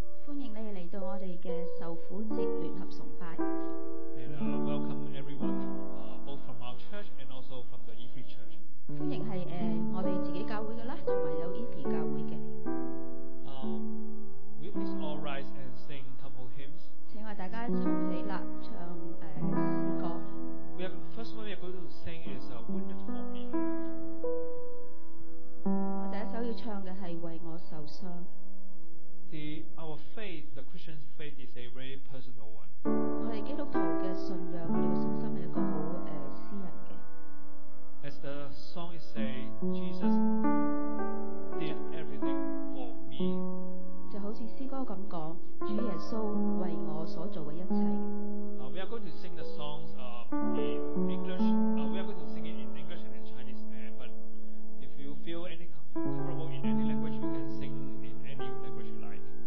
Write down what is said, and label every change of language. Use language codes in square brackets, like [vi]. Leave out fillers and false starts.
[yue] 欢迎你嚟到我哋嘅受苦节联合崇拜。 [en] And welcome everyone both from our church and also from the EFI Church. [yue] 欢迎系我哋自己教会嘅啦，同埋有 EFI 教会嘅。 [en] Will please all rise and sing a couple hymns. [yue] 请为大家抽起啦，唱诗歌。 [en] First one we are going to sing is Wounded for Me. [yue] 我第一首要唱嘅系为我受伤。 [en] Our faith, the Christian faith, is a very personal one. [yue] 我哋基督徒嘅信仰，我哋嘅信心系一个好私人嘅。 [en] As the song is say, Jesus did everything for me. [yue] 就好似诗歌咁讲，主耶稣为我所做嘅一切。 [en] We are going to sing the songs in English. We are going to sing it in English and in Chinese. But if you feel any comfortable in any language, you can sing in any language you like.